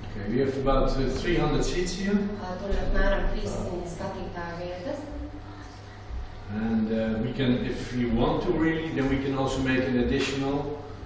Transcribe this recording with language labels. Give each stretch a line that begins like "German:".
English: We have about 300 seats here.
Latvian: Tur apmēram 300 skatītāju vietas.
English: And we can, if you want to really, then we can also make an additional.